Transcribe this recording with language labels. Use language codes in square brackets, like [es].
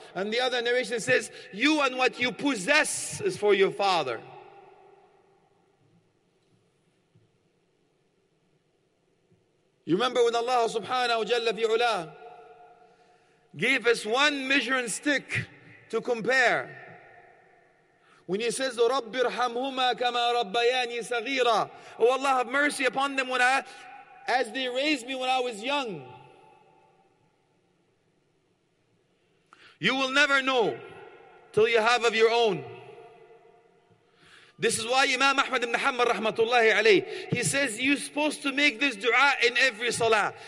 [en] And the other narration says, you and what you possess is for your father. You remember when Allah subhanahu wa jalla fi ula gave us one measuring stick to compare. When he says, [ar] رَبِّ ارْحَمْهُمَا كَمَا رَبَّيَانِي صَغِيرًا. [en] Oh Allah, have mercy upon them as they raised me when I was young. You will never know till you have of your own. This is why Imam Ahmad ibn Hanbal rahmatullahi alayh, he says you're supposed to make this dua in every salah.